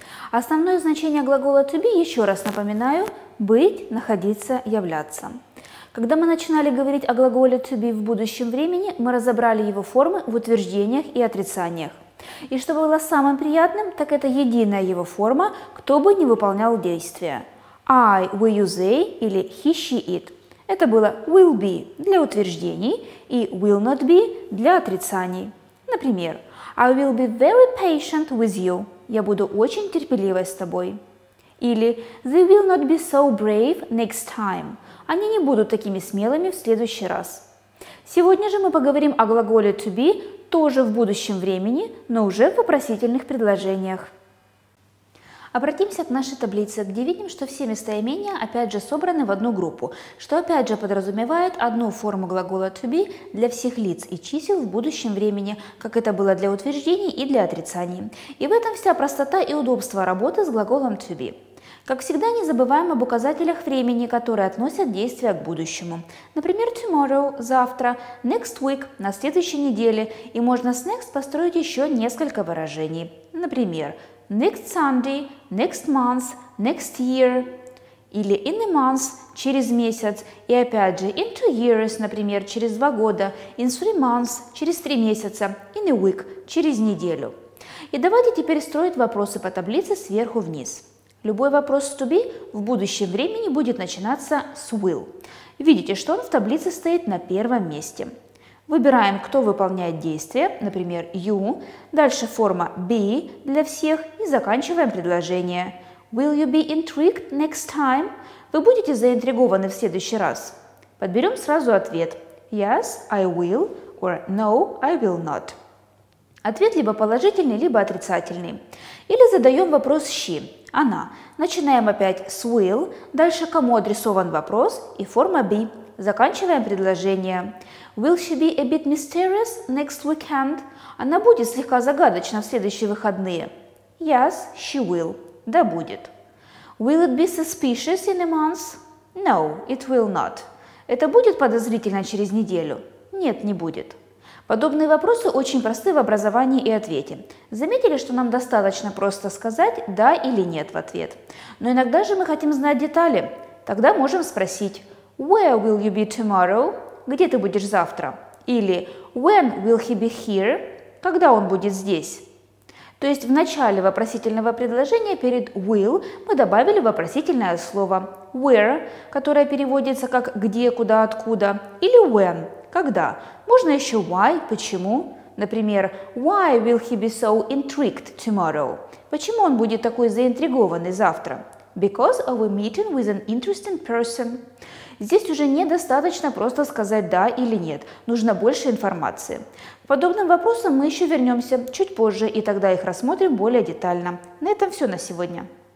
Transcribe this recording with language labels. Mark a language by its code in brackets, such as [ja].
[ru] Основное значение глагола to be, еще раз напоминаю, быть, находиться, являться. Когда мы начинали говорить о глаголе to be в будущем времени, мы разобрали его формы в утверждениях и отрицаниях. И что было самым приятным, так это единая его форма, кто бы ни выполнял действие. [en] I, we, you, they [ru] или [en] he, she, it. [ru] Это было will be для утверждений и will not be для отрицаний. [en] Например, I will be very patient with you. [ru] Я буду очень терпеливой с тобой. [en] Или they will not be so brave next time. [ru] Они не будут такими смелыми в следующий раз. Сегодня же мы поговорим о глаголе to be тоже в будущем времени, но уже в вопросительных предложениях. Обратимся к нашей таблице, где видим, что все местоимения опять же собраны в одну группу, что опять же подразумевает одну форму глагола to be для всех лиц и чисел в будущем времени, как это было для утверждений и для отрицаний. И в этом вся простота и удобство работы с глаголом to be. Как всегда, не забываем об указателях времени, которые относят действия к будущему. Например, tomorrow – завтра, next week – на следующей неделе, и можно с next построить еще несколько выражений. Например, [en] next Sunday, next month, next year, или in a month, [ru] через месяц, и опять же, [en] in 2 years, [ru] например, через 2 года, [en] in 3 months, [ru] через 3 месяца, [en] in a week, [ru] через неделю. И давайте теперь строить вопросы по таблице сверху вниз. Любой вопрос to be в будущем времени будет начинаться с will. Видите, что он в таблице стоит на первом месте. Выбираем, кто выполняет действие, например, you, дальше форма be для всех и заканчиваем предложение. [en] Will you be intrigued next time? [ru] Вы будете заинтригованы в следующий раз? Подберем сразу ответ. [en] Yes, I will, or no, I will not. [ru] Ответ либо положительный, либо отрицательный. Или задаем вопрос she, она. Начинаем опять с will, дальше кому адресован вопрос и форма be. Заканчиваем предложение. [en] Will she be a bit mysterious next weekend? [ru] Она будет слегка загадочна в следующие выходные. [en] Yes, she will. [ru] Да будет. [en] Will it be suspicious in a month? No, it will not. [ru] Это будет подозрительно через неделю? Нет, не будет. Подобные вопросы очень просты в образовании и ответе. Заметили, что нам достаточно просто сказать «да» или «нет» в ответ. Но иногда же мы хотим знать детали. Тогда можем спросить [en] «Where will you be tomorrow?» [ru] – «Где ты будешь завтра?» Или [en] «When will he be here?» [ru] – «Когда он будет здесь?» То есть в начале вопросительного предложения перед «will» мы добавили вопросительное слово «where», которое переводится как «где», «куда», «откуда» или «when» – «когда». Можно еще «why» – «почему». Например, [en] «Why will he be so intrigued tomorrow?» [ru] – «Почему он будет такой заинтригованный завтра?» [en] «Because of a meeting with an interesting person». [ru] Здесь уже недостаточно просто сказать «да» или «нет», нужно больше информации. К подобным вопросам мы еще вернемся чуть позже, и тогда их рассмотрим более детально. На этом все на сегодня.